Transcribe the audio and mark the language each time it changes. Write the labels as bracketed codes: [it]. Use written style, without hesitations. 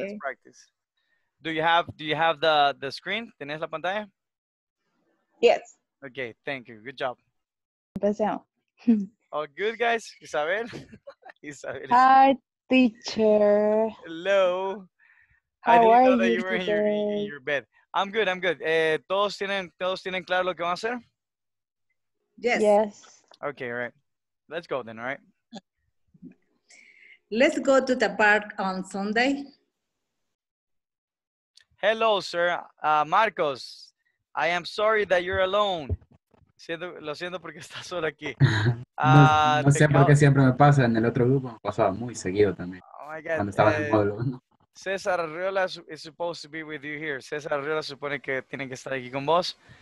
[en] Let's practice. Do you have the screen? [es] ¿Tienes la pantalla? [en] Yes. Okay, thank you. Good job. [es] Empecemos. [en] All good, guys. Isabel. Hi, teacher. Hello. How are you, teacher? I didn't know that you were in your bed. I'm good. [es] ¿Todos tienen claro lo que van a hacer? [en] Yes. Yes. Okay, all right. Let's go then, all right? Let's go to the park on Sunday. Hello, sir. Marcos, I am sorry that you're alone. [es] Lo siento porque está solo aquí. No sé por qué siempre me pasa en el otro grupo. Me pasaba muy seguido también. [en] Oh my God. [es] Cuando estaba en el módulo. [en] César Arriola is supposed to be with you here. [es] César Arriola supone que tiene que estar aquí con vos.